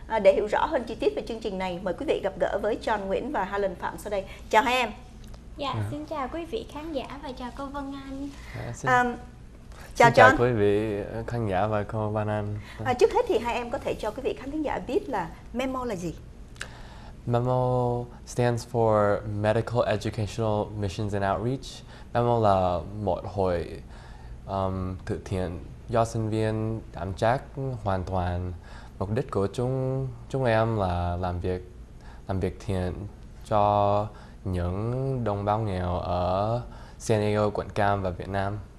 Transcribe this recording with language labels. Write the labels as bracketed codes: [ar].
[vi] Để hiểu rõ hơn chi tiết về chương trình này, mời quý vị gặp gỡ với John Nguyễn và Harlan Phạm sau đây. Chào hai em. Dạ, xin chào quý vị khán giả và chào cô Vân Anh. Xin chào quý vị khán giả và cô Vân Anh. Trước hết thì hai em có thể cho quý vị khán giả biết là MEMO là gì? [en] MEMO stands for Medical Educational Missions and Outreach. [vi] MEMO là một hội thực thiện do sinh viên đảm trách hoàn toàn. Mục đích của chúng em là làm việc thiện cho những đồng bào nghèo ở San Diego, quận Cam và Việt Nam.